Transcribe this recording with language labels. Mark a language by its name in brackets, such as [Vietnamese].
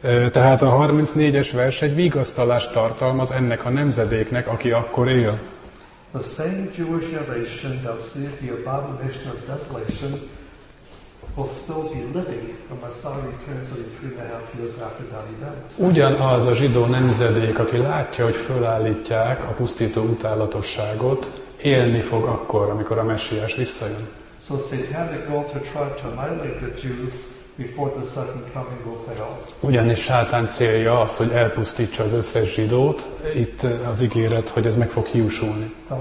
[Hungarian] Tehát a 34-es vers egy vigasztalást tartalmaz ennek a nemzedéknek, aki akkor él. [English] The same Jewish generation that sees the abomination of desolation will still be living when Messiah returns only 3.5 years after that event. [Hungarian] Ugyanaz a zsidó nemzedék, aki látja, hogy fölállítják a pusztító utálatosságot, élni fog akkor, amikor a Messiás visszajön. [English] So satanic goals are trying to annihilate the Jews before the second coming will fail. [Hungarian] Ugyanis Sátán célja az, hogy elpusztítsa az összes zsidót, itt az ígéret, hogy ez meg fog hiúsulni.